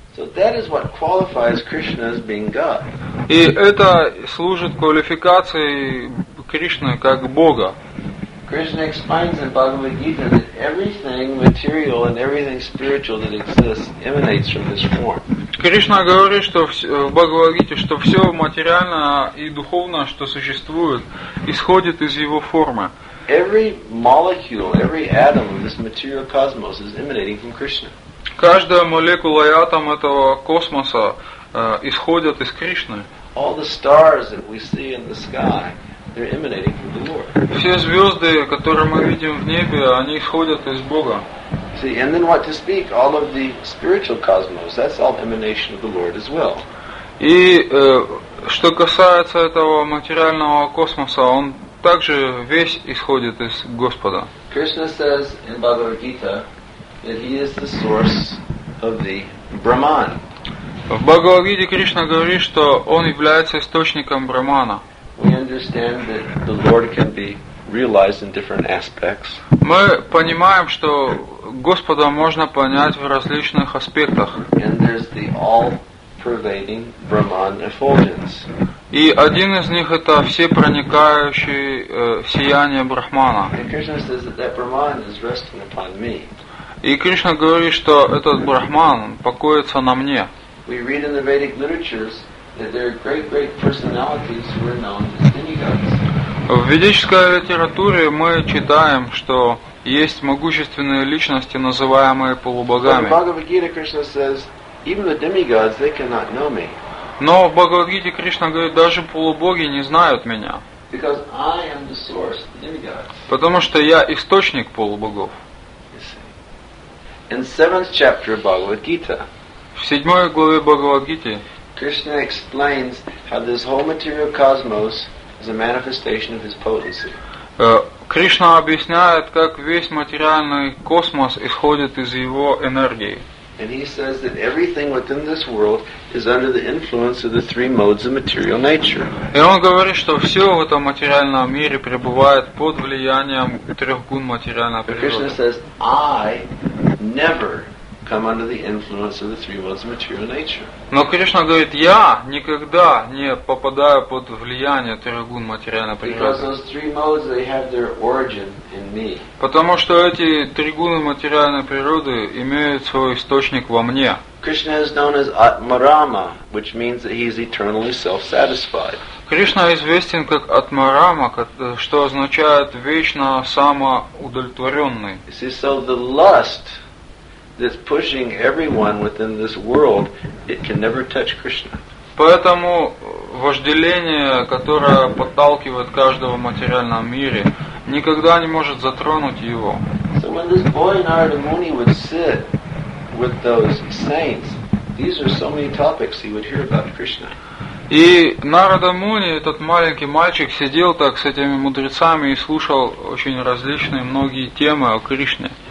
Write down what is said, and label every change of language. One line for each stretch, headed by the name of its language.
English: So that is what qualifies Krishna as being God.
Russian: И это служит квалификацией Кришны как Бога.
English: Krishna explains in Bhagavad Gita that everything material and everything spiritual that exists emanates from this form.
Russian: Кришна говорит, что в Бхагавад Гите, что все материальное и духовное, что существует, исходит из его формы.
English: Every molecule, every atom of this material cosmos is emanating from Krishna.
Russian: Каждая молекула и атом этого космоса исходят из Кришны.
English: All the stars that we see in the sky, they're emanating from the Lord.
Russian: Все звезды, которые мы видим в небе, они исходят из Бога.
English: See, and then what to speak, all of the spiritual cosmos, that's all emanation of the Lord as well.
Russian: И что касается этого материального космоса, он также весь исходит из Господа.
English: Krishna says in Bhagavad Gita that he is the source of the Brahman.
Russian: В Бхагавад Гите Кришна говорит, что он является источником Брахмана.
English: We understand that the Lord can be realized in different aspects.
Russian: Мы понимаем, что Господа можно понять в различных аспектах.
English: And there's the all-pervading Brahman effulgence.
Russian: И один из них это всепроникающее сияние Брахмана.
English: And Krishna says that that Brahman is resting upon me.
Russian: И Кришна говорит, что этот Брахман покоится на мне.
English: We read in the Vedic literatures that there are great, great personalities who are known as demigods.
Russian: В ведической литературе мы читаем, что есть могущественные личности, называемые полубогами.
English: But in Bhagavad Gita, Krishna says, even the demigods, they cannot know me.
Russian: Но в Бхагавад Гите Кришна говорит, даже полубоги не знают меня.
English: Because I am the source of the demigods.
Russian: Потому что я источник полубогов.
English: In seventh chapter of Bhagavad Gita.
Russian: В седьмой главе Бхагавад Гиты
English: Krishna explains how this whole material cosmos is a manifestation of his potency.
Russian: Кришна объясняет, как весь материальный космос исходит из его энергии.
English: And he says that everything within this world is under the influence of the three modes of material nature.
Russian: И он говорит, что все в этом материальном мире пребывает под влиянием трех гун материальной природы.
English: Krishna says, I never come under the influence of the three modes of material nature.
Russian: Но Кришна говорит, я никогда не попадаю под влияние трех гун материальной природы.
English: Because those three modes, they have their origin in me.
Russian: Потому что эти три гуны материальной природы имеют свой источник во мне.
English: Krishna is known as Atmarama, which means that he is eternally self-satisfied.
Russian: Кришна известен как Атмарама, что означает вечно самоудовлетворенный.
English: See, so the lust that's pushing everyone within this world, it can never touch Krishna.
Russian: Поэтому вожделение, которое подталкивает каждого в материальном мире, никогда не может затронуть его.
English: So when this boy Narada Muni would sit with those saints, these are so many topics he would hear about Krishna.
Russian: И Нарада Муни, этот маленький мальчик, сидел так с этими мудрецами и слушал очень различные многие темы о Кришне.